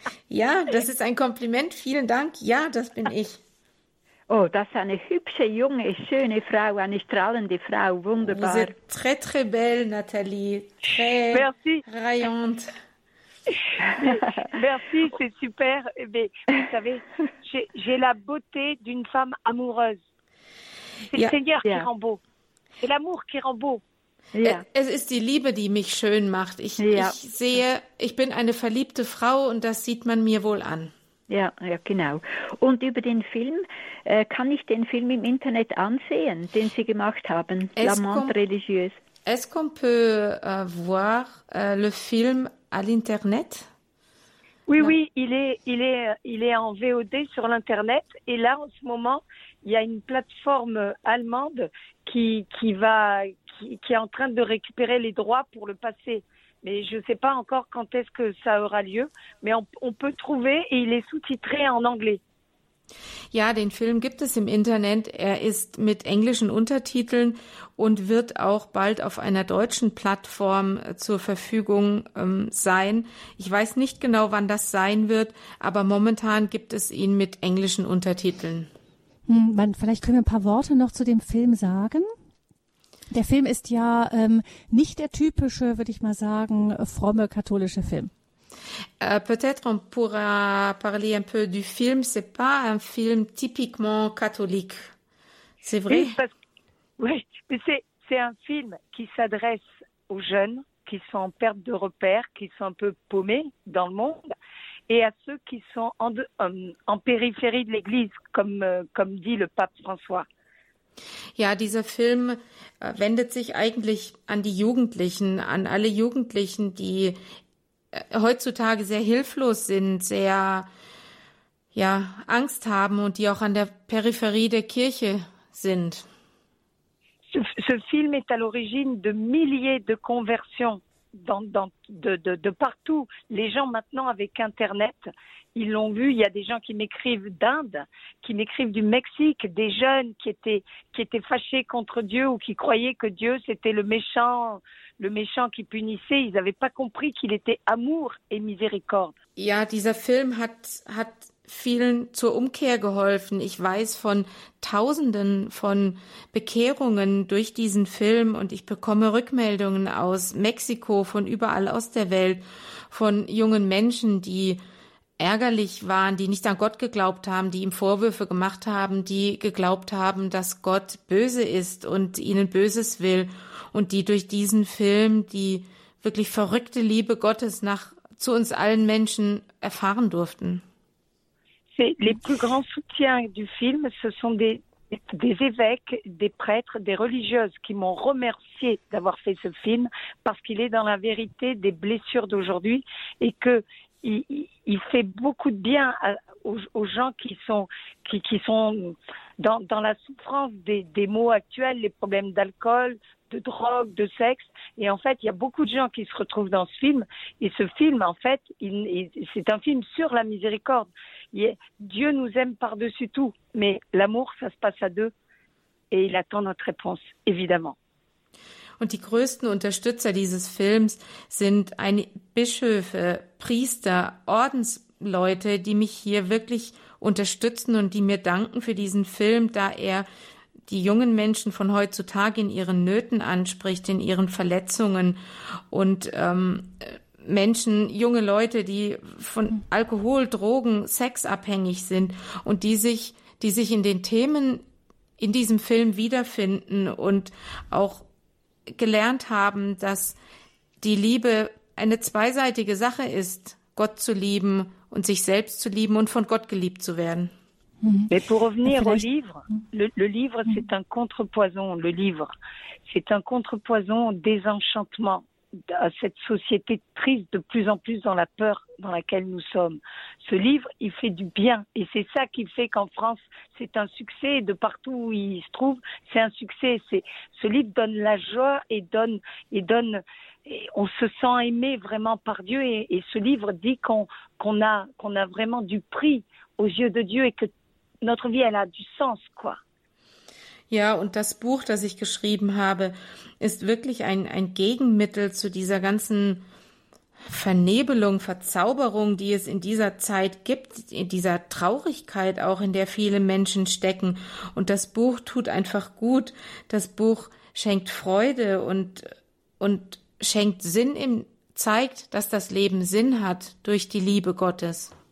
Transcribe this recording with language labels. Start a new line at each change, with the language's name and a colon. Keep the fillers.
German: ja, das ist ein Kompliment. Vielen Dank. Ja, das bin ich. Oh, das ist eine hübsche, junge, schöne Frau, eine strahlende Frau, wunderbar.
French: Vous êtes très très belle, Nathalie, très Merci. rayante. Merci, c'est super. Mais vous savez, j'ai- j'ai la beauté d'une femme amoureuse. C'est
English: Yeah.
French: le Seigneur
English: Yeah.
French: qui rend beau. C'est l'amour qui rend beau.
German: Ja. Es ist die Liebe, die mich schön macht. Ich, Ja. ich sehe, ich bin eine verliebte Frau und das sieht man mir wohl an. Ja, ja, genau. Und über den Film, äh, kann ich den Film im Internet ansehen, den Sie gemacht haben, Es
French: La Montre
German: kommt-
French: Religieuse? Est-ce qu'on peut euh, voir euh, le film à l'internet? Oui, Non. oui, il est, il est, euh, il est en VOD sur l'internet. Et là, en ce moment, il y a une plateforme euh, allemande qui, qui va, qui, qui est en train de récupérer les droits pour le passer. Mais je ne sais pas encore quand est-ce que ça aura lieu. Mais on, on peut trouver et il est sous-titré en anglais.
German: Ja, den Film gibt es im Internet. Er ist mit englischen Untertiteln und wird auch bald auf einer deutschen Plattform äh, zur Verfügung ähm, sein. Ich weiß nicht genau, wann das sein wird, aber momentan gibt es ihn mit englischen Untertiteln. Hm, Man, vielleicht können wir ein paar Worte noch zu dem Film sagen. Der Film ist ja ähm, nicht der typische, würde ich mal sagen, fromme katholische Film.
French: Euh, peut-être on pourra parler un peu du film. C'est pas un film typiquement catholique. C'est vrai. Oui, parce que- oui, mais c'est, c'est un film qui s'adresse aux jeunes qui sont en perte de repères, qui sont un peu paumés dans le monde, et à ceux qui sont en, de- en, en périphérie de l'Église, comme, euh, comme dit le pape François.
German: Ja, dieser Film äh, wendet sich eigentlich an die Jugendlichen, an alle Jugendlichen, die äh, heutzutage sehr hilflos sind, sehr ja, Angst haben und die auch an der Peripherie der Kirche sind.
French: Ce, ce film est à l'origine de milliers de conversions dans, dans- de, de- de partout. Les gens maintenant avec Internet, ils l'ont vu, il y a des gens qui m'écrivent d'Inde, qui m'écrivent du Mexique, des jeunes qui étaient, qui étaient fâchés contre Dieu ou qui croyaient que Dieu c'était le méchant, le méchant qui punissait. Ils n'avaient pas compris qu'il était amour et miséricorde.
German: Ja, dieser Film hat, hat vielen zur Umkehr geholfen. Ich weiß von Tausenden von Bekehrungen durch diesen Film und ich bekomme Rückmeldungen aus Mexiko, von überall aus der Welt, von jungen Menschen, die ärgerlich waren, die nicht an Gott geglaubt haben, die ihm Vorwürfe gemacht haben, die geglaubt haben, dass Gott böse ist und ihnen Böses will und die durch diesen Film die wirklich verrückte Liebe Gottes nach zu uns allen Menschen erfahren durften.
French: C'est les plus grands soutiens du film, ce sont des, des évêques, des prêtres, des religieuses qui m'ont remercié d'avoir fait ce film parce qu'il est dans la vérité des blessures d'aujourd'hui et que il, il- il fait beaucoup de bien à- aux, aux gens qui sont qui, qui sont dans, dans la souffrance des, des maux actuels, les problèmes d'alcool, de drogue, de sexe. Et en fait, il y a beaucoup de gens qui se retrouvent dans ce film. Et ce film, en fait, il- il- c'est un film sur la miséricorde. Il est- Dieu nous aime par-dessus tout, mais l'amour, ça se passe à deux. Et il attend notre réponse, évidemment.
German: Und die größten Unterstützer dieses Films sind eine Bischöfe, Priester, Ordensleute, die mich hier wirklich unterstützen und die mir danken für diesen Film, da er die jungen Menschen von heutzutage in ihren Nöten anspricht, in ihren Verletzungen und ähm, Menschen, junge Leute, die von Alkohol, Drogen, Sex abhängig sind und die sich, die sich in den Themen in diesem Film wiederfinden und auch gelernt haben, dass die Liebe eine zweiseitige Sache ist, Gott zu lieben und sich selbst zu lieben und von Gott geliebt zu werden.
French: Mais pour revenir au livre, le, le livre, c'est un contrepoison. Le livre, c'est un contrepoison au désenchantement à cette société triste de plus en plus dans la peur dans laquelle nous sommes. Ce livre, il fait du bien et c'est ça qui fait qu'en France, c'est un succès. De partout où il se trouve, c'est un succès. C'est ce livre donne la joie et donne et donne. et on se sent aimé vraiment par Dieu et, et ce livre dit qu'on qu'on a qu'on a vraiment du prix aux yeux de Dieu et que notre vie, elle a du sens, quoi.
German: Ja, und das Buch, das ich geschrieben habe, ist wirklich ein, ein Gegenmittel zu dieser ganzen Vernebelung, Verzauberung, die es in dieser Zeit gibt, in dieser Traurigkeit auch, in der viele Menschen stecken. Und das Buch tut einfach gut. Das Buch schenkt Freude und, und schenkt Sinn im, zeigt, dass das Leben Sinn hat durch die Liebe Gottes.